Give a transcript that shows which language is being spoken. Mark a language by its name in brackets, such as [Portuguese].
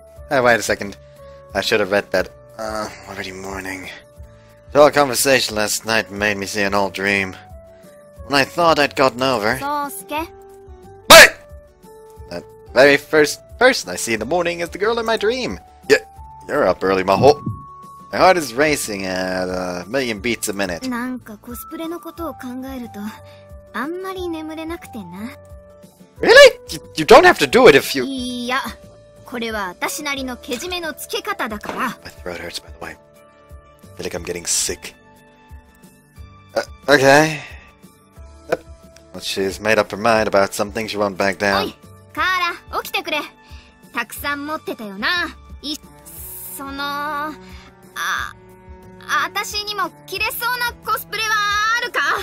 [English] Hey, wait a second. I should have read that. Already morning. The whole conversation last night made me see an old dream. When I thought I'd gotten over... Sosuke? Wait! That very first person I see in the morning is the girl in my dream. You're up early, Maho. My heart is racing at a million beats a minute. [Japanese] なんかコスプレのことを考えると...あんまり眠れなくてな。 [English] Really? You don't have to do it if you... [Japanese] いや、これは私なりのけじめのつけ方だから。 [English] My throat hurts, by the way. I feel like I'm getting sick. Okay. Yep. Well, she's made up her mind about something. She won't back down. [Japanese] カーラ、起きてくれ。たくさん持ってたよな。その、私にも着れそうなコスプレはあるか？